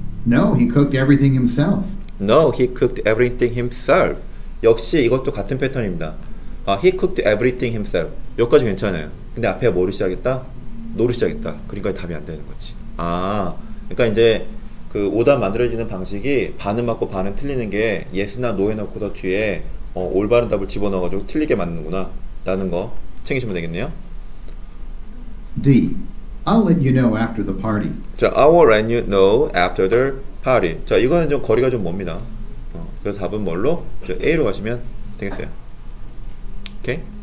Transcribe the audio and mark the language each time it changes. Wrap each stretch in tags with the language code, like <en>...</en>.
<en>No, he cooked everything himself. No, he cooked everything himself.</en> <ko>역시 이것도 같은 패턴입니다.</ko> <en>He cooked everything himself.</en> <ko>여기까지 괜찮아요. 근데 앞에 뭐를 시작했다? 노를 시작했다. 그러니까 답이 안 되는 거지. 그러니까 이제 그 오답 만들어지는 방식이 반은 맞고 반은 틀리는 게 yes나 no 해놓고서 뒤에 올바른 답을 집어넣어가지고 틀리게 맞는구나 라는 거 챙기시면 되겠네요. D.</ko> <en>I'll let you know after the party. 자, I will let you know after the party.</en> <ko>자, 이거는 좀 거리가 좀 멉니다. 그래서 답은 뭘로? A로 가시면 되겠어요. 오케이?</ko>